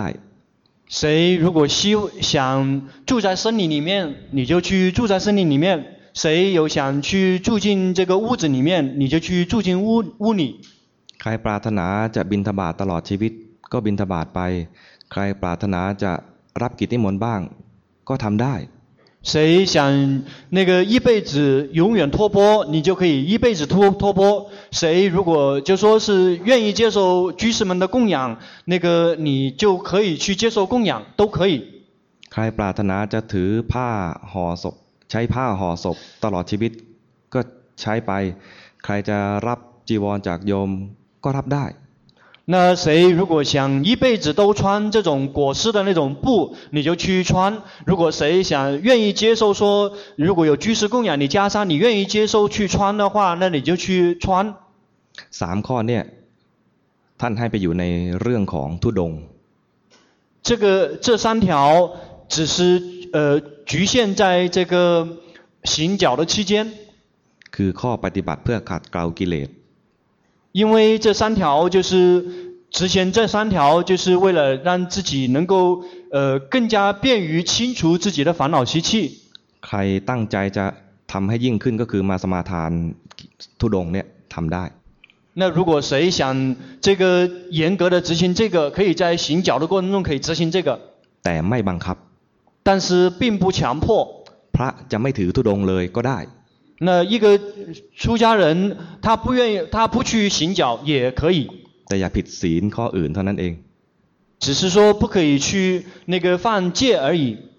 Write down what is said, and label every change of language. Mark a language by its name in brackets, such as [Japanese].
[Chinese] 谁如果想住在森林里面你就去住在森林里面谁有想去住进这个屋子里面你就去住进屋里 [Thai] ใครปรารถนาจะบิณฑบาตตลอดชีวิตก็บิณฑบาตไปใครปรารถนาจะรับกิจนิมนต์บ้างก็ทำได้ [Chinese] 谁想那个一辈子永远托钵你就可以一辈子托钵谁如果就说是愿意接受居士们的供养那个你就可以去接受供养都可以 [Thai] ใครปรารถนาจะถือผ้าห่อศพใช้ผ้าห่อศพตลอดชีวิตก็ใช้ไปใครจะรับจีวรจากโยมก็รับได้ [Chinese] 那谁如果想一辈子都穿这种裹尸的那种布你就去穿如果谁想愿意接受说如果有居士供养你袈裟你愿意接受去穿的话那你就去穿 [Thai] 三ข้อเนี่ยท่านให้ไปอยู่ในเรื่องของทุดง [Chinese] 这三条只是局限在这个行脚的期间 [Thai] คือข้อปฏิบัติเพื่อขัดเกลากิเลส [Chinese] 因为这三条就是执行这三条就是为了让自己能够更加便于清除自己的烦恼习气 [Thai] ใครตั้งใจจะทำให้ยิ่งขึ้นก็คือมาสมาทานทุดงเนี่ยทำได้ [Chinese] 那如果谁想这个严格的执行这个可以在行脚的过程中可以执行这个 [Thai] แต่ไม่บังคับ [Chinese] 但是并不强迫 [Thai] พระจะไม่ถือทุดงเลยก็ได้ [Chinese] 那一个出家人他不愿意他不去行脚也可以 [Thai] แต่อย่าผิดศีลข้ออื่นเท่านั้นเอง [Chinese] 只是说不可以去那个犯戒而已